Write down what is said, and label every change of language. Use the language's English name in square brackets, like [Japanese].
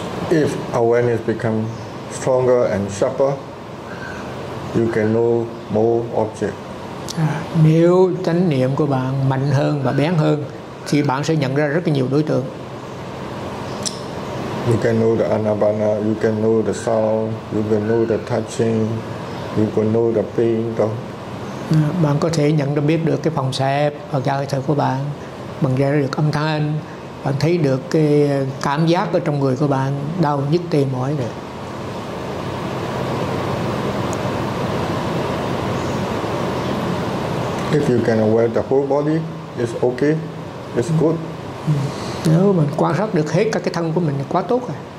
[English] If awareness becomes stronger and sharper, you can know more objects. [Vietnamese] Nếu chánh niệm của bạn mạnh hơn và bén hơn, thì bạn sẽ nhận ra rất nhiều đối tượng. [English] You can know the anapana, you can know the sound, you can know the touching, you can know the pain. [Vietnamese] Bạn có thể nhận ra biết được cái phòng xẹp và hơi thở của bạn, bằng ra được âm thanh. Bạn thấy được cái cảm giác ở trong người của bạn đau nhức tê mỏi rồi. [English] If you can aware the whole body, it's okay, it's good. [Vietnamese] Nếu mình quan sát được hết các cái thân của mình thì quá tốt rồi.